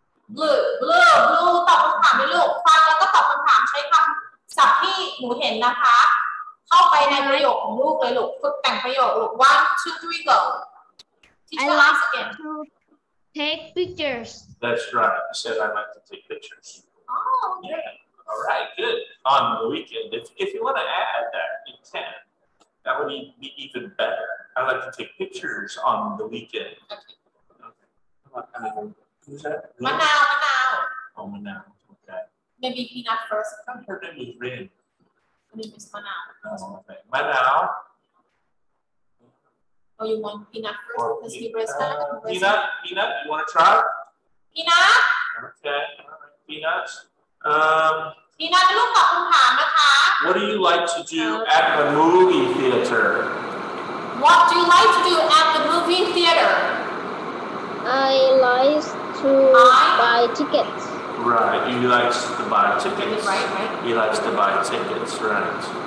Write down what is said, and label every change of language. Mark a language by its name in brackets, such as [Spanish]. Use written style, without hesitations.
[Thai] Blue, ตอบคำถามไปลูกฟังแล้วก็ตอบคำถามใช้คำศัพท์ที่หนูเห็นนะคะเข้าไปในประโยคของลูกเลยลูกฝึกแต่งประโยคลูก1 2 3 [English] go. I like to take pictures. That's right. You said I like to take pictures. Oh, okay. Yeah. All right, good. On the weekend, if you want to add that, you can. That would be even better. I like to take pictures on the weekend. Okay. Okay. Who's that? Manao. Oh, Manao. Maybe peanut first. I heard her name was Rin. Her name is Manao. Oh, okay. Manao. Oh, you want peanut first? Or because he breast peanut. Peanut, you want to try? Peanut. Okay. Peanut. [Thai] Peanut, ลูกตอบคำถามนะคะ. [English] What do you like to do at the movie theater? What do you like to do at the movie theater? I like to buy tickets. Right, you like to buy tickets. Right. He likes to buy tickets, right.